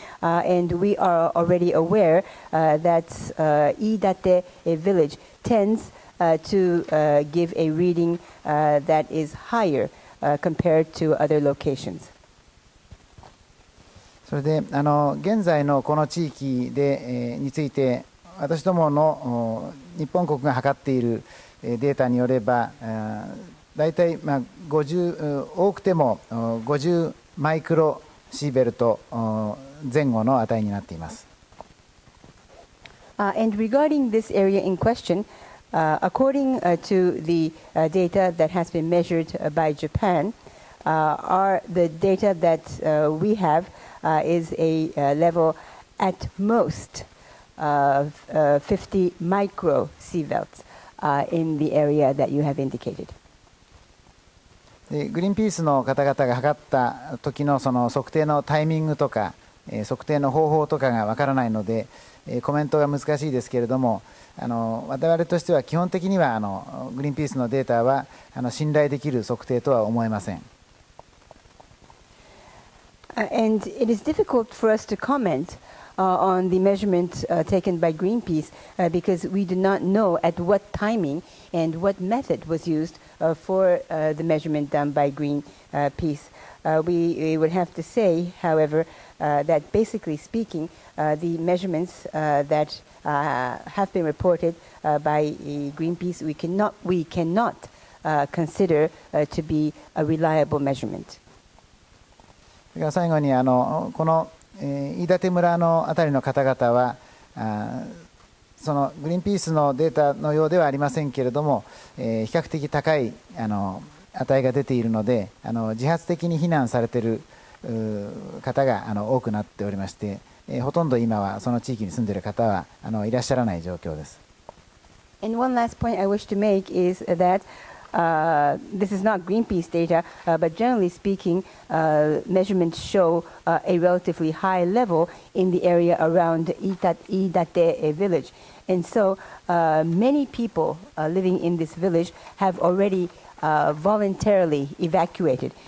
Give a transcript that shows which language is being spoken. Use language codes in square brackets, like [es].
[en] And we are already aware that Iidate village tends to give a reading that is higher compared to other locations. [ja] それで現在のこの地域で、について私どもの日本国が測っているデータによれば、大体まあ50、多くても50マイクロシーベルト前後の値になっています。 [en] And regarding this area in question, according to the data that has been measured by Japan, the data that we have is a level at most of 50 micro sievelts in the area that you have indicated. [ja] グリーンピースの方々が測った時のその測定のタイミングとか測定の方法とかがわからないのでコメントが難しいですけれども、我々としては基本的にはグリーンピースのデータは信頼できる測定とは思えません。 [en] And it is difficult for us to commentOn the measurement taken by Greenpeace because we do not know at what timing and what method was used for the measurement done by Greenpeace. We would have to say, however, that basically speaking, the measurements that have been reported by Greenpeace, we cannot consider to be a reliable measurement. [ja] 最後にこの飯舘村のあたりの方々はそのグリーンピースのデータのようではありませんけれども比較的高い値が出ているので自発的に避難されている方が多くなっておりまして、ほとんど今はその地域に住んでいる方はいらっしゃらない状況です。 [en] And one last point I wish to make is thatThis is not Greenpeace data, but generally speaking, measurements show a relatively high level in the area around Iidate village. And so many people living in this village have already voluntarily evacuated.